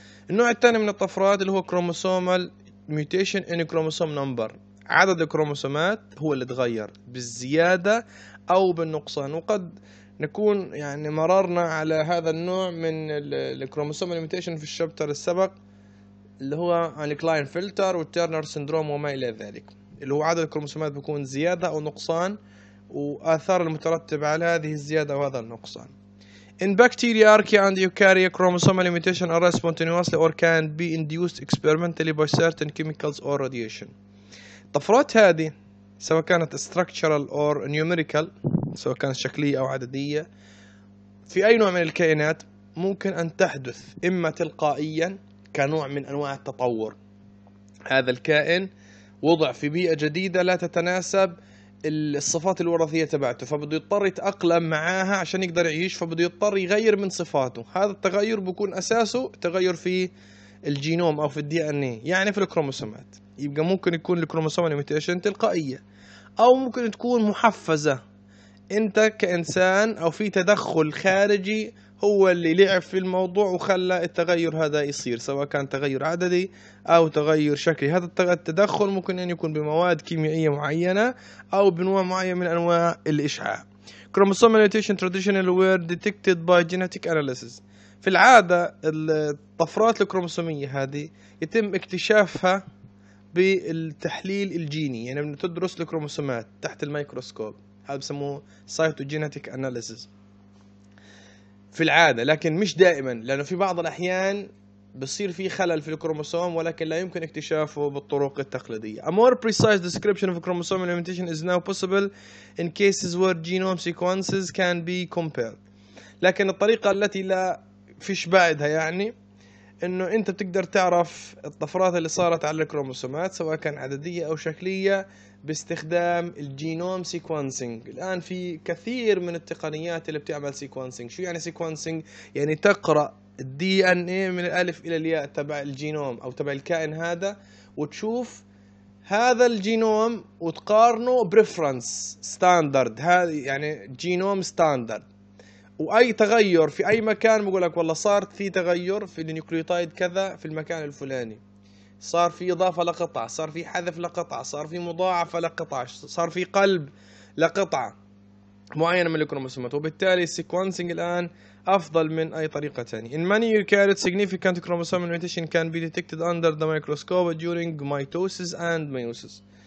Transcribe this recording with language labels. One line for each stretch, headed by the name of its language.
Arabic: النوع الثاني من الطفرات اللي هو
English: chromosomal mutation in chromosome number،
Arabic: عدد الكروموسومات هو اللي تغير بالزيادة أو بالنقصان، وقد نكون يعني مررنا على هذا النوع من الكروموسومال mutation في الشابتر السابق اللي هو Klinefelter والترنر سندروم وما إلى ذلك، اللي هو عدد الكروموسومات بيكون زيادة أو نقصان وآثار المترتبة على هذه الزيادة أو هذا النقصان.
English: In bacteria, archaea and eukaryota, chromosomal limitation are spontaneously or can be induced experimentally by certain chemicals or radiation.
Arabic: طفرات هذه سواء كانت
English: structural or numerical،
Arabic: سواء كانت شكلية أو عددية، في أي نوع من الكائنات ممكن أن تحدث إما تلقائيا كنوع من أنواع التطور، هذا الكائن وضع في بيئة جديدة لا تتناسب الصفات الوراثية تبعته، فبده يضطر يتأقلم معاها عشان يقدر يعيش، فبده يضطر يغير من صفاته. هذا التغير بيكون أساسه تغير في الجينوم أو في الدي ان اي، يعني في الكروموسومات. يبقى ممكن يكون الكروموسومال ميوتيشن تلقائية أو ممكن تكون محفزة، أنت كإنسان أو في تدخل خارجي هو اللي لعب في الموضوع وخلى التغير هذا يصير، سواء كان تغير عددي أو تغير شكلي. هذا التدخل ممكن أن يكون بمواد كيميائية معينة أو بنوع معين من أنواع الإشعاع.
English: Chromosomal mutation traditionally were detected by genetic analysis.
Arabic: في العادة الطفرات الكروموسومية هذه يتم اكتشافها بالتحليل الجيني، يعني بندرس الكروموسومات تحت الميكروسكوب، هذا بسموه cytogenetic analysis في العادة، لكن مش دائما، لأنه في بعض الأحيان بصير في خلل في الكروموسوم ولكن لا يمكن اكتشافه بالطرق التقليدية.
English: A more precise description of chromosomal mutation is now possible in cases where genome sequences can be compared.
Arabic: لكن الطريقة التي لا فيش بعدها، يعني أنه أنت بتقدر تعرف الطفرات اللي صارت على الكروموسومات سواء كان عددية أو شكلية باستخدام الجينوم سيكوانسينج. الآن في كثير من التقنيات اللي بتعمل سيكوانسينج. شو يعني سيكوانسينج؟ يعني تقرأ الدي ان اي من الألف إلى الياء تبع الجينوم أو تبع الكائن هذا، وتشوف هذا الجينوم وتقارنه بريفرنس ستاندرد، هذا يعني جينوم ستاندرد، وأي تغير في أي مكان بقولك والله صار في تغير في النيوكليوتايد كذا في المكان الفلاني، صار في إضافة لقطع، صار في حذف لقطع، صار في مضاعفة لقطع، صار في قلب لقطعة معينة من الكروموسومات، وبالتالي السيكونسينج الآن أفضل من أي طريقة تانية.
English: In many eukaryotes, significant chromosomal mutation can be detected under the microscope during mitosis and meiosis.